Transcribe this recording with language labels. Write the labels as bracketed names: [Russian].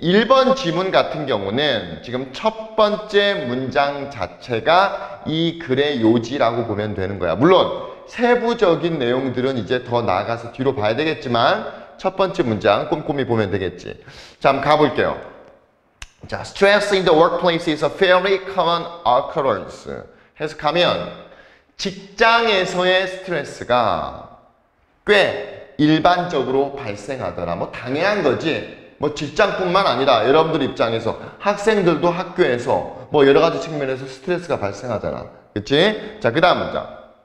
[Korean] 1번 지문 같은 경우는 지금 첫 번째 문장 자체가 이 글의 요지라고 보면 되는 거야. 물론 세부적인 내용들은 이제 더 나아가서 뒤로 봐야 되겠지만 첫 번째 문장 꼼꼼히 보면 되겠지. 자, 한번 가볼게요. [English] 자, stress in the workplace is a fairly common occurrence. [Korean] 해서 가면 직장에서의 스트레스가 꽤 일반적으로 발생하더라. 뭐 당연한 거지. 뭐 직장뿐만 아니라 여러분들 입장에서 학생들도 학교에서 뭐 여러 가지 측면에서 스트레스가 발생하잖아. 그치? 자, 그 다음 문장.